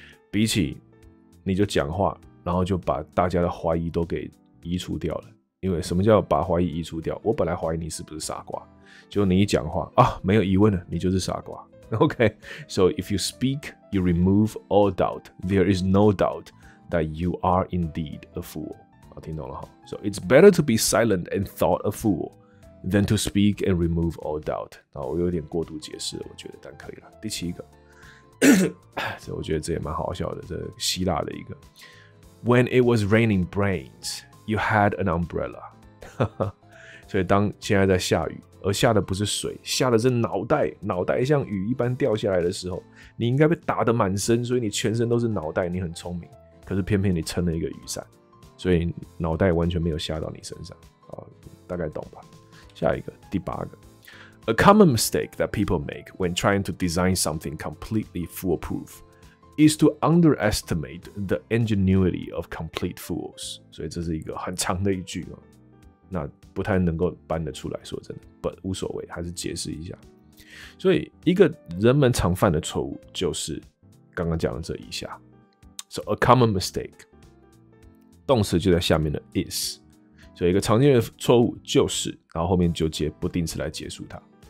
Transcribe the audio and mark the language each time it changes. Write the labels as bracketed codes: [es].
[zh] 比起你就讲话，然后就把大家的怀疑都给移除掉了。因为什么叫把怀疑移除掉？我本来怀疑你是不是傻瓜，就你一讲话啊，没有疑问了，你就是傻瓜。 [en] OK, so if you speak, you remove all doubt. There is no doubt that you are indeed a fool. [zh] 好，听懂了哈。 [en] So it's better to be silent and thought a fool than to speak and remove all doubt. [zh] 好，我有点过度解释了，我觉得，但可以了。第七个，这我觉得这也蛮好笑的，这希腊的一个。 [en] When it was raining brains, you had an umbrella. [zh] 所以当现在在下雨。而下的不是水，下的是脑袋，脑袋像雨一般掉下来的时候，你应该被打得满身，所以你全身都是脑袋，你很聪明，可是偏偏你撑了一个雨伞，所以脑袋完全没有下到你身上，大概懂吧。下一个，第八个。 [en] A common mistake that people make when trying to design something completely foolproof is to underestimate the ingenuity of complete fools. [zh] 所以这是一个很长的一句，那不太能够搬得出来，说真的，不无所谓，还是解释一下。所以一个人们常犯的错误就是刚刚讲的这一下。 [en] So a common mistake, [zh] 动词就在下面的 is, 所以一个常见的错误就是，然后后面就接不定词来结束它。